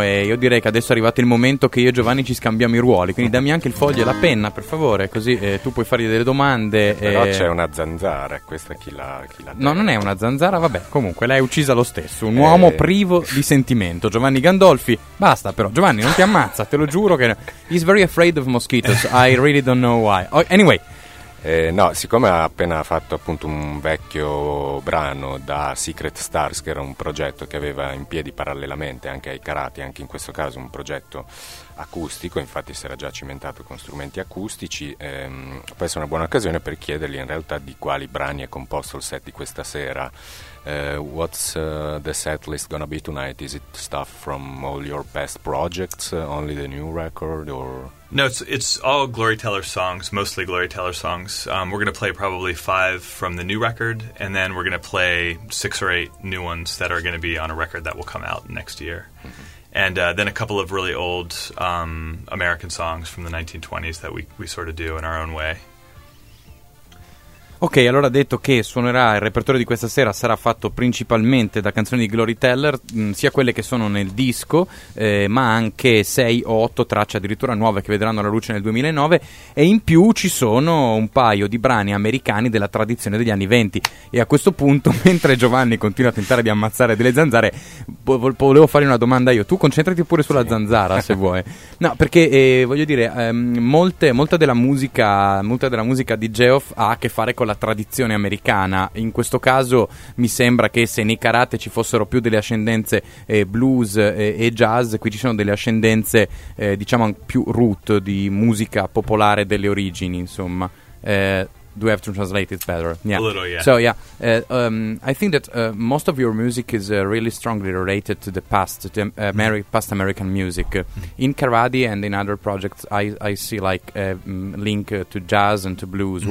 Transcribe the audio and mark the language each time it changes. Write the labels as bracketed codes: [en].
[it] E io direi che adesso è arrivato il momento che io e Giovanni ci scambiamo i ruoli. Quindi dammi anche il foglio e la penna, per favore, così tu puoi fargli delle domande. Però c'è una zanzara, questa chi l'ha no, non è una zanzara, vabbè, comunque l'hai uccisa lo stesso. Un uomo privo di sentimento, Giovanni Gandolfi. Basta però, Giovanni, non ti ammazza, te lo giuro che... [en] He's very afraid of mosquitoes, I really don't know why. Anyway. [it] No, siccome ha appena fatto appunto un vecchio brano da Secret Stars, che era un progetto che aveva in piedi parallelamente anche ai Karate, anche in questo caso un progetto acustico, infatti si era già cimentato con strumenti acustici, questa è una buona occasione per chiedergli in realtà di quali brani è composto il set di questa sera. [en] What's the set list gonna be tonight? Is it stuff from all your past projects, only the new record, or... No, it's all Glory Teller songs, mostly Glory Teller songs. We're going to play probably 5 from the new record, and then we're going to play 6 or 8 new ones that are going to be on a record that will come out next year. Mm-hmm. And then a couple of really old American songs from the 1920s that we sort of do in our own way. [it] Ok, allora detto che suonerà il repertorio di questa sera, sarà fatto principalmente da canzoni di Glory Teller, sia quelle che sono nel disco, ma anche 6 o 8 tracce addirittura nuove che vedranno la luce nel 2009, e in più ci sono un paio di brani americani della tradizione degli anni 20. E a questo punto, mentre Giovanni continua a tentare di ammazzare delle zanzare, volevo fargli una domanda io. Tu concentrati pure sulla zanzara, se vuoi. No, perché voglio dire, molta della musica di Geoff ha a che fare con la tradizione americana. In questo caso mi sembra che se nei Karate ci fossero più delle ascendenze blues e jazz, qui ci sono delle ascendenze diciamo più root di musica popolare delle origini, insomma. [en] Do we have to translate it better? Yeah. A little, yeah. So yeah, I think that most of your music is really strongly related to the past, to past American music. In Karate and in other projects, I see like a link to jazz and to blues. Mm-hmm.